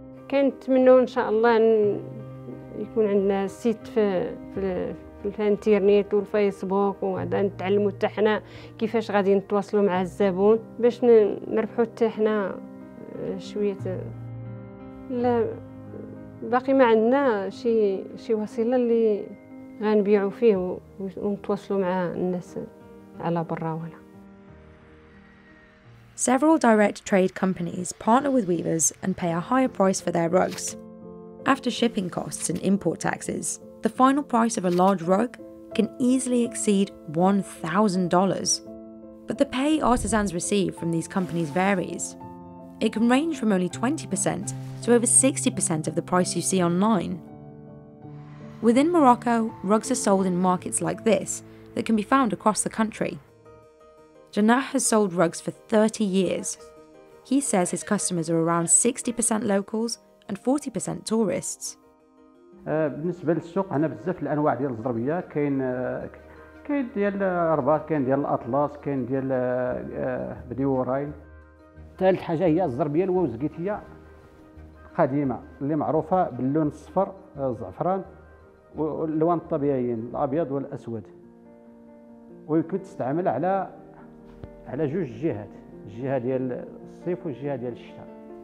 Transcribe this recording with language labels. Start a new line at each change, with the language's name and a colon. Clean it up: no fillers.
Arabic: كنتمنوا ان شاء الله يكون عندنا سيت في الانترنت والفيسبوك وهذا نتعلموا حتى حنا كيفاش غادي نتواصلوا مع الزبون باش نربحوا حتى حنا شويه. لا باقي ما عندنا شي وسيله اللي غنبيعوا فيه ونتواصلوا مع الناس على برا ولا.
English: Several direct trade companies partner with weavers and pay a higher price for their rugs. After shipping costs and import taxes, the final price of a large rug can easily exceed $1,000. But the pay artisans receive from these companies varies. It can range from only 20% to over 60% of the price you see online. Within Morocco, rugs are sold in markets like this that can be found across the country. Janah has sold rugs for 30 years. He says his customers are around 60% locals and 40% tourists.
Arabic: بالنسبة للسوق عندنا بزاف الانواع ديال الزربية كاين ديال الرباط كاين ديال الاطلس كاين ديال بديوراي. ثالث حاجة هي الزربية الوزقيتية قديمة اللي معروفة باللون الصفر الزعفران واللوان الطبيعيين الابيض والاسود ويمكن تستعمل على جوج جهات، الجهة ديال الصيف والجهة ديال الشتاء.